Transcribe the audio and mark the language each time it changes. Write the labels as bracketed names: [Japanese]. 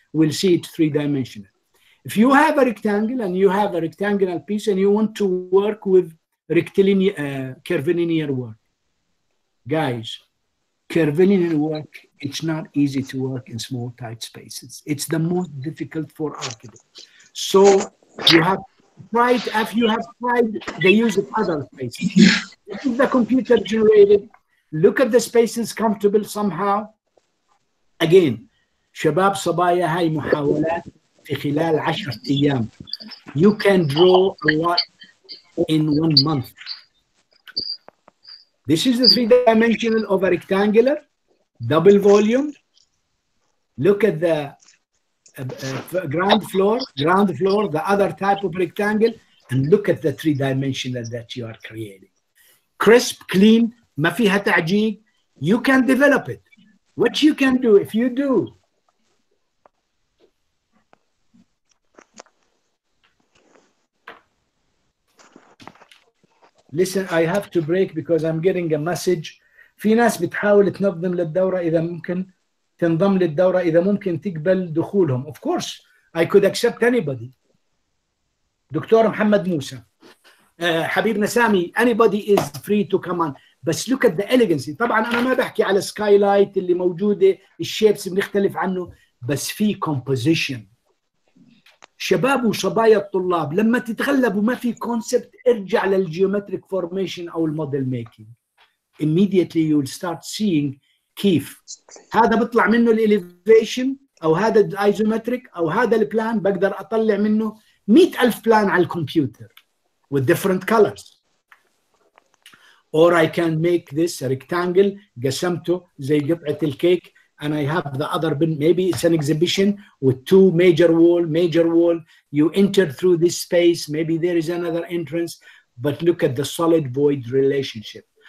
[English] We'll see it three-dimensional. If you have a rectangle and you have a rectangular piece and you want to work with rectilinear, curvilinear work, guys, curvilinear work, it's not easy to work in small, tight spaces. It's the most difficult for architects. So you have tried, if you have tried the use of other spaces, the computer generated, look at the spaces comfortable somehow. [Arabic] Again, شباب صبايا هاي محاولات في خلال 10 أيام. [English] You can draw a lot in 1 month. This is the three-dimensional of a rectangular, double volume. Look at the ground floor, the other type of rectangle, and look at the three-dimensional that you are creating. Crisp, clean, [Arabic] ما فيها تعجيق. [English] You can develop it. What you can do, if you do, listen, I have to break because I'm getting a message. [Arabic] في ناس بتحاول تنظم للدورة إذا ممكن تنضم للدورة إذا ممكن تقبل دخولهم. [English] Of course, I could accept anybody. [Arabic] دكتور محمد موسى. حبيبنا سامي, [English] anybody is free to come on. [Arabic] بس [English] look at the elegance. [Arabic] طبعا أنا ما بحكي على skylight اللي موجودة, الشيبس بنختلف عنه, بس في composition. شباب وصبايا الطلاب, لما تتغلبوا ما في concept, ارجع للgeometric formation أو model making. [English] Immediately you will start seeing [Arabic] كيف هذا بطلع منه الelevation أو هذا isometric أو هذا البلان, بقدر أطلع منه 100,000 بلان على الكمبيوتر [English] with different colors. Or I can make this a rectangle, [Arabic] قسمته زي قطعة الكيك, [English] and I have the other bin, maybe it's an exhibition with two major wall. You enter through this space, maybe there is another entrance, but look at the solid void relationship.